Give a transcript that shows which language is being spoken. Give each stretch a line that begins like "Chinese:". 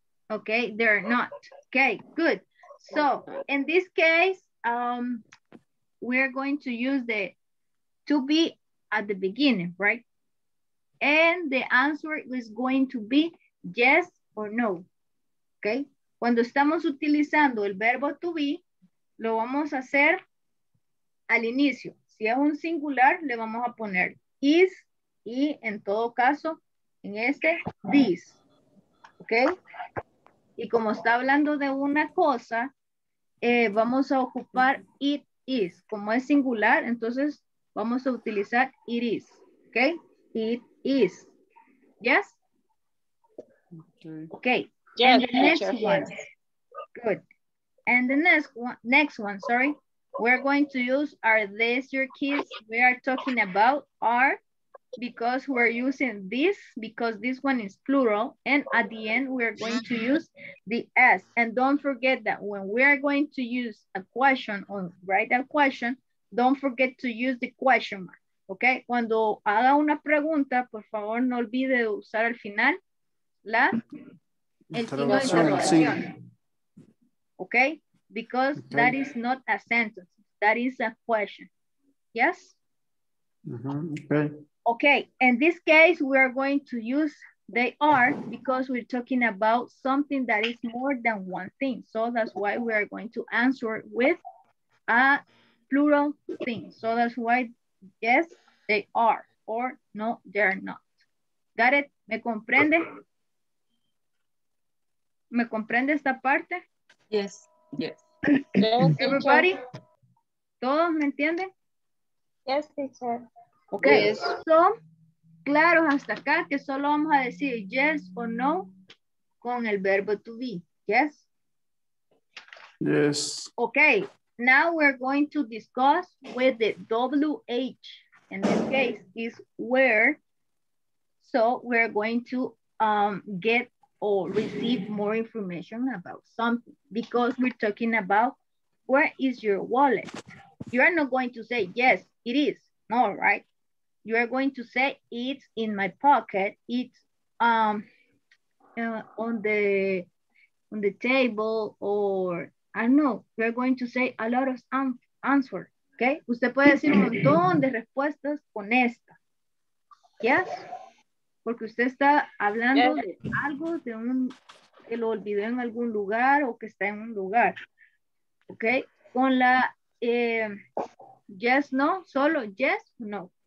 English: Okay, they're not. Okay, good. So in this case, we're going to use the to be at the beginning, right? And the answer is going to be yes or no. Okay.
Spanish: Cuando estamos utilizando el verbo to be, lo vamos a hacer al inicio. Si es un singular, le vamos a poner is y en todo caso, en este, this. Okay. Y como está hablando de una cosa, vamos a ocupar it is. Como es singular, entonces vamos a utilizar it is. ¿Ok? It is. ¿Yes? Ok. Okay.
English: Yes, and the next one. Good. And the next one, sorry. We're going to use are these your keys? We are talking about are. Because we're using this, because this one is plural, and at the end we're going to use the S. And don't forget that when we are going to use a question or write a question, don't forget to use the question mark, okay?
Spanish: Cuando haga una pregunta, por favor, no olvide usar al final la interrogación. Sí.
English: Okay? Because okay. That is not a sentence. That is a question. Yes? Mm-hmm. Okay. Okay, in this case, we are going to use they are because we're talking about something that is more than one thing. So that's why we are going to answer with a plural thing. So that's why, yes, they are, or no, they're not. Got it?
Spanish: ¿Me comprende? ¿Me comprende esta parte?
English: Yes, yes.
Spanish: Everybody? ¿Todos me entienden?
English: Yes, teacher.
Spanish: Ok, so, claro hasta acá que solo vamos a decir yes o no con el verbo to be, yes? Yes.
English: Ok, now we're going to discuss with the WH. In this case, is where. So, we're going to get or receive more information about something because we're talking about where is your wallet. You are not going to say yes, it is, no, right? You are going to say it's in my pocket, it's on the table, or I know, you're going to say a lot of answer, okay?
Spanish: Usted puede decir un montón de respuestas con esta, yes? Porque usted está hablando yes. De algo, de un, que lo olvidó en algún lugar o que está en un lugar, okay? Con la yes, no, solo yes, no.